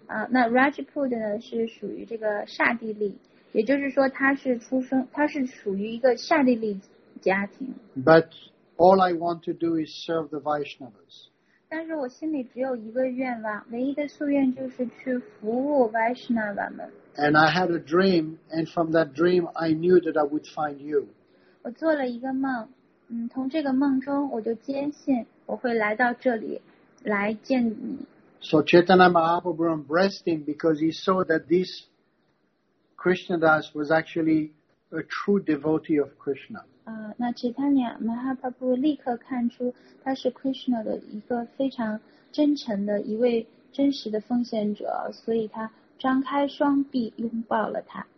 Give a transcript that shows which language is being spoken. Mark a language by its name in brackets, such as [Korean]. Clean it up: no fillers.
[Chinese] 那 Rajput 呢是属于这个刹帝利，也就是说他是出生，他是属于一个刹帝利家庭。 [English] But all I want to do is serve the Vaishnavas. [Chinese] 但是我心里只有一个愿望，唯一的夙愿就是去服务 Vaishnava 们。 [English] And I had a dream, and from that dream I knew that I would find you. [Chinese] 我做了一个梦，从这个梦中我就坚信我会来到这里来见你。 [English] So Chaitanya Mahaprabhu embraced him because he saw that this Krishna Das was actually a true devotee of Krishna. [Chinese] 那 Chaitanya Mahaprabhu 立刻看出他是 Krishna 的一个非常真诚的一位真实的奉献者，所以他张开双臂拥抱了他。